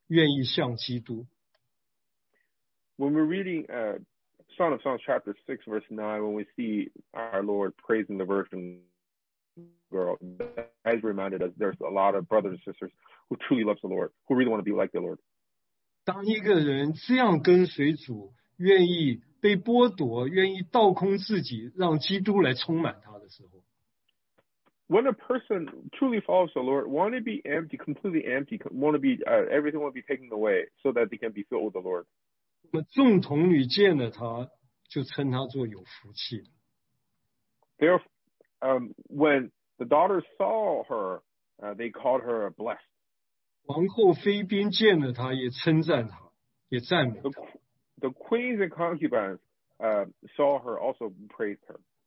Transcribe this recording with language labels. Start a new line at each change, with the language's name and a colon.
Chinese: 我们读到雅各书第六章，在这里主称赞这个女子，我们就想到在教会中有好多爱主的弟兄姊妹，他们真实愿意像基督。
English: When we're reading Song of Songs chapter 6 verse 9, when we see our Lord praising the virgin girl, that is reminded us there's a lot of brothers and sisters who truly loves the Lord, who really want to be like the Lord.
Chinese: 当一个人这样跟随主，愿意被剥夺，愿意倒空自己，让基督来充满他的时候，
English: When a person truly follows the Lord, want to be empty, completely empty, want to be everything will be taken away so that they can be filled with the Lord.
Chinese: 众童女见了他，就称他做有福气的。
English: Therefore, when the daughters saw her, they called her blessed.
Chinese: 王后妃嫔见了她，也称赞她，也赞美她。
English: The queens and concubines saw her, also praised her.